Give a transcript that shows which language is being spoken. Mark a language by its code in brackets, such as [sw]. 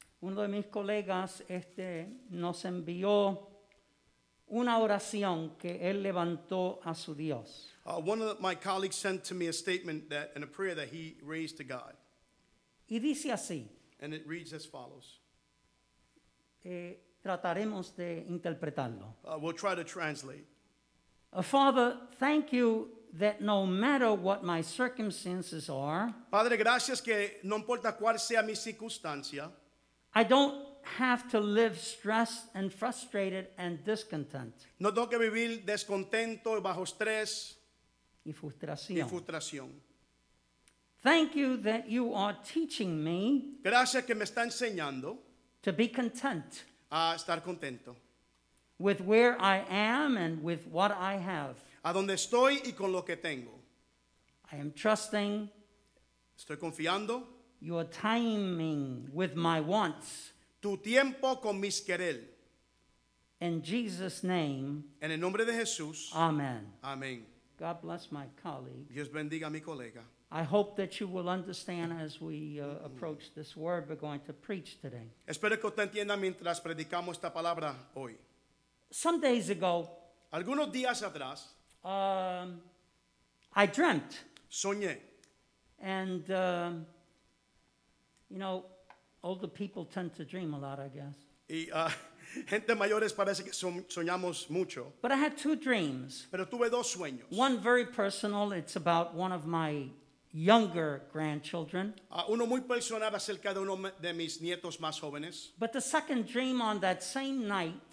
[es] uno de mis colegas nos envió una oración que él levantó a su Dios. [en] One of my colleagues sent to me a statement that and a prayer that he raised to God. [es] Y dice así. [en] And it reads as follows. [es] Trataremos de interpretarlo. [en] We'll try to translate. Father, thank you that no matter what my circumstances are, [es] Padre, gracias que no importa cuál sea mi circunstancia, [en] I don't have to live stressed and frustrated and discontent. [es] No tengo que vivir descontento bajo estrés y frustración. Y frustración. [en] Thank you that you are teaching me, [es] gracias que me está enseñando, [en] to be content, [es] a estar contento, [en] with where I am and with what I have. [es] A donde estoy y con lo que tengo. [en] I am trusting. [es] Estoy confiando. [en] Your timing with my wants. [es] Tu tiempo con mis querer. [en] In Jesus' name. [es] En el nombre de Jesús. [en] Amen. [es] Amen. [en] God bless my colleague. [es] Dios bendiga a mi colega. [en] I hope that you will understand as we approach this word we're going to preach today. [es] Espero que usted entienda mientras predicamos esta palabra hoy. [en] Some days ago. [es] Algunos días atrás. [en] I dreamt. [es] Soñé. [en] And, you know, older people tend to dream a lot, I guess. [es] Gente mayores parece que soñamos mucho. [en] But I had two dreams. [es] Pero tuve dos sueños. [en] One very personal, it's about one of my younger grandchildren. [es] Uno muy personal acerca de uno de mis nietos más jóvenes. [en] But the second dream on that same night.